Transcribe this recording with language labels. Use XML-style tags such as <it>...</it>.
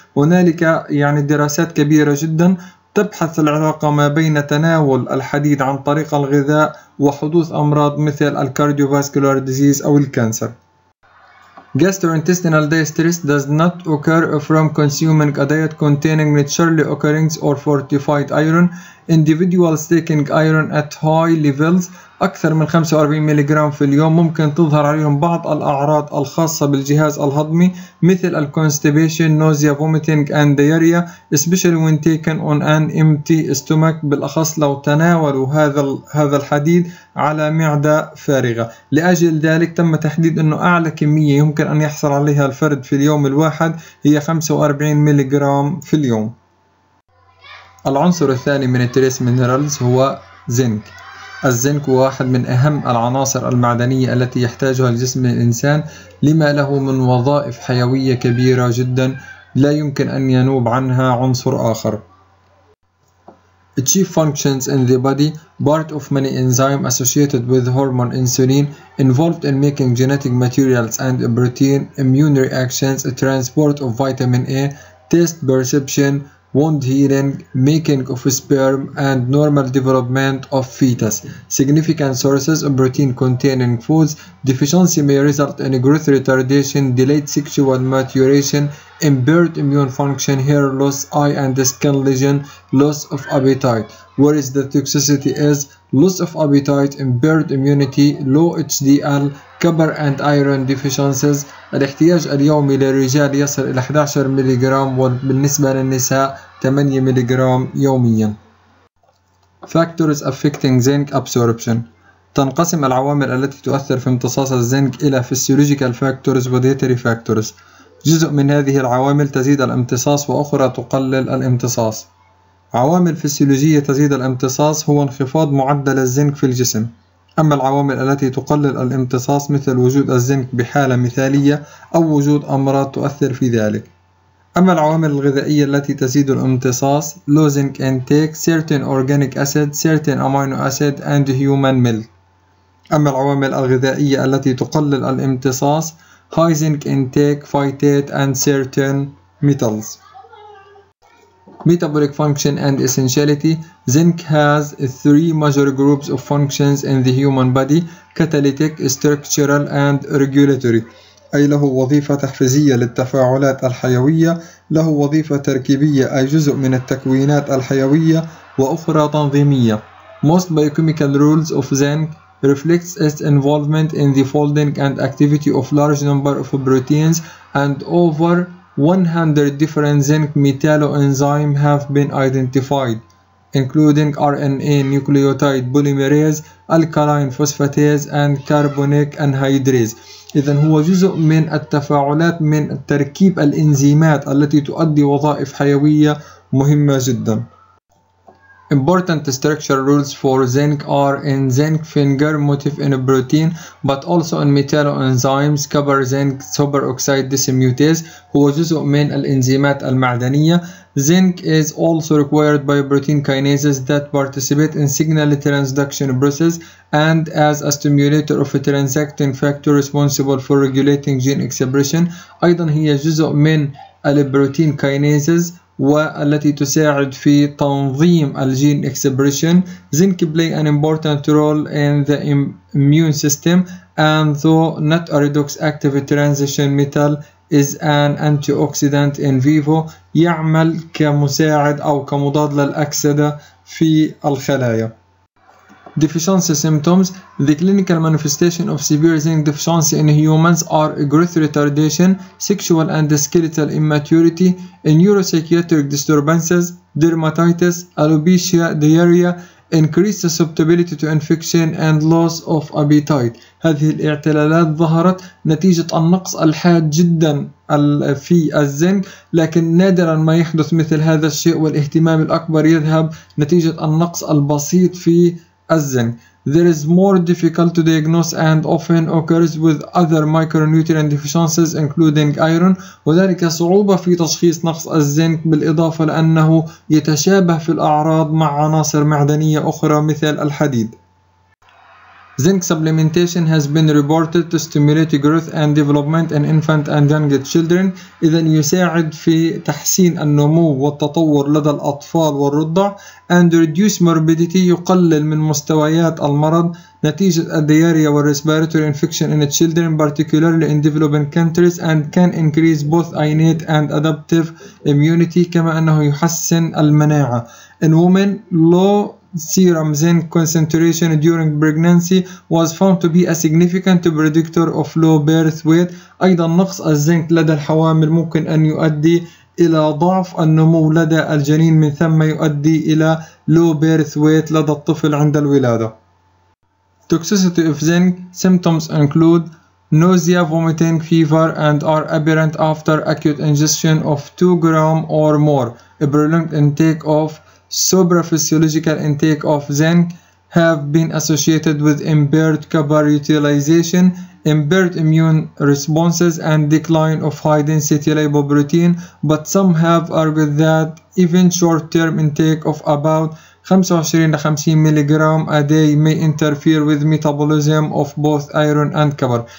<ar>هنالك يعني دراسات كبيرة جدا تبحث العلاقة ما بين تناول الحديد عن طريق الغذاء وحدوث أمراض مثل الكارديوفاسكولار ديزيز أو الكانسر.</ar> <en>Gastrointestinal distress does not occur from consuming a diet containing naturally occurring or fortified iron. Individuals taking iron at high levels,</en> <ar>أكثر من 45 ميلي جرام في اليوم, ممكن تظهر عليهم بعض الأعراض الخاصة بالجهاز الهضمي مثل الكونستيبيشن, نوزيا,</ar> <en>vomiting and diarrhea, especially when taken on an empty stomach,</en> <ar>بالأخص لو تناولوا هذا الحديد على معدة فارغة. لأجل ذلك تم تحديد أنه أعلى كمية يمكن أن يحصل عليها الفرد في اليوم الواحد هي 45 ميلي جرام في اليوم. العنصر الثاني من التريس مينرالز هو زنك. الزنك هو واحد من أهم العناصر المعدنية التي يحتاجها الجسم الإنسان لما له من وظائف حيوية كبيرة جدا لا يمكن أن ينوب عنها عنصر آخر.</ar> <en>Chief functions in the body, part of many enzymes associated with hormone insulin, involved in making genetic materials and protein, immune reactions, transport of vitamin A, taste perception, wound healing, making of sperm, and normal development of fetus. Significant sources of protein containing foods deficiency may result in growth retardation, delayed sexual maturation, impaired immune function, hair loss, eye and skin lesion, loss of appetite. Whereas the toxicity is loss of appetite, impaired immunity, low HDL, copper and iron deficiencies.</en> <ar>الاحتياج اليومي للرجال يصل إلى 11 ميلي جرام وبالنسبة للنساء 8 ميلي جرام يوميا.</ar> <en>Factors affecting zinc absorption.</en> <ar>تنقسم العوامل التي تؤثر في امتصاص الزنك إلى physiological factors و dietary factors. جزء من هذه العوامل تزيد الامتصاص وأخرى تقلل الامتصاص. عوامل فسيولوجية تزيد الامتصاص هو انخفاض معدل الزنك في الجسم. أما العوامل التي تقلل الامتصاص مثل وجود الزنك بحالة مثالية أو وجود أمراض تؤثر في ذلك. أما العوامل الغذائية التي تزيد الامتصاص</ar> <en>low zinc intake, certain organic acid, certain amino acid and human milk.</en> <ar>أما العوامل الغذائية التي تقلل الامتصاص</ar> <en>high zinc intake, phytate and certain metals. Metabolic function and essentiality. Zinc has three major groups of functions in the human body: catalytic, structural, and regulatory.</en> <ar>أي له وظيفة تحفيزية للتفاعلات الحيوية، له وظيفة تركيبية أي جزء من التكوينات الحيوية، وأخرى تنظيمية.</ar> <en>Most biochemical roles of zinc reflects its involvement in the folding and activity of large number of proteins and over 100 different zinc metalloenzymes have been identified, including RNA nucleotide polymerase, alkaline phosphatase, and carbonic anhydrase.</en> <ar>إذن هو جزء من التفاعلات من تركيب الإنزيمات التي تؤدي وظائف حيوية مهمة جدا.</ar> <en>Important structure rules for zinc are in zinc finger motif in a protein, but also in metalloenzymes, copper zinc superoxide dismutase,</en> <ar>هو جزء من الانزيمات المعدنية.</ar> <en>Zinc is also required by protein kinases that participate in signal transduction process and as a stimulator of a transacting factor responsible for regulating gene expression.</en> <ar>أيضا هي جزء من البروتين كينيزز والتي تساعد في تنظيم الجين إكسبريشن.</ar> <en>Zinc play an important role in the immune system and though not a redox active transition metal is an antioxidant in vivo</en> <ar>يعمل كمساعد أو كمضاد للأكسدة في الخلايا.</ar> <en>Deficiency symptoms. The clinical manifestation of severe zinc deficiency in humans are growth retardation, sexual and skeletal immaturity, neuropsychiatric disturbances, dermatitis, alopecia, diarrhea, increased susceptibility to infection and loss of appetite.</en> <ar>هذه الاعتلالات ظهرت نتيجة النقص الحاد جدا في الزنك، لكن نادرا ما يحدث مثل هذا الشيء والاهتمام الأكبر يذهب نتيجة النقص البسيط في الزنك.</ar> <en>There is more difficult to diagnose and often occurs with other micronutrient deficiencies including iron.</en> <ar>وذلك صعوبة في تشخيص نقص الزنك بالإضافة لأنه يتشابه في الأعراض مع عناصر معدنية أخرى مثل الحديد.</ar> <en>Zinc supplementation has been reported to stimulate growth and development in infant and young children.</en> <ar>إذا يساعد في تحسين النمو والتطور لدى الأطفال والرضع.</ar> <en>And reduce morbidity</en> <ar>يقلل من مستويات المرض نتيجة الدياريا والرespiratory</ar> <en>infection in children particularly in developing countries and can increase both innate and adaptive immunity</en> <ar>كما أنه يحسن المناعة.</ar> <en>In women, low serum zinc concentration during pregnancy was found to be a significant predictor of low birth weight.</en> <ar>أيضا نقص الزنك لدى الحوامل ممكن أن يؤدي إلى ضعف النمو لدى الجنين من ثم يؤدي إلى</ar> <en>low birth weight</en> <ar>لدى الطفل عند الولادة.</ar> <en>Toxicity of zinc symptoms include nausea, vomiting, fever and are apparent after acute ingestion of 2 gram or more. A prolonged intake of supraphysiological intake of zinc have been associated with impaired copper utilization, impaired immune responses and decline of high density lipoprotein, but some have argued that even short-term intake of about 25 to 50 milligram a day may interfere with metabolism of both iron and copper.</en>